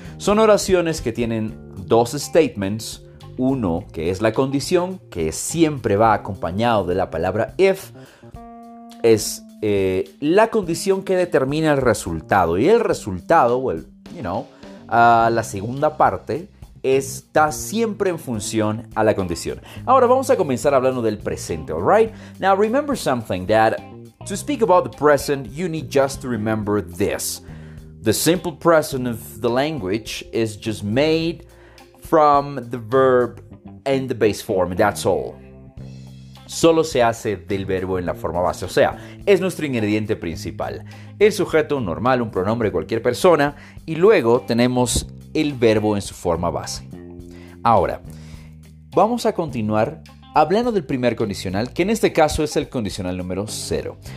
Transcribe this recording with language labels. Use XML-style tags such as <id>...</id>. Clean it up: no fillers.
<es>Son oraciones que tienen dos statements. Uno, que es la condición, que siempre va acompañado de la palabra if, es la condición que determina el resultado. Y el resultado, la segunda parte, está siempre en función a la condición. Ahora vamos a comenzar hablando del presente, alright?</es> <en>Now remember something, that to speak about the present, you need just to remember this. The simple present of the language is just made from the verb and the base form, that's all.</en> <es>Solo se hace del verbo en la forma base, o sea, es nuestro ingrediente principal. El sujeto, un normal, un pronombre, cualquier persona, y luego tenemos el verbo en su forma base. Ahora, vamos a continuar hablando del primer condicional, que en este caso es el condicional número 0.</es>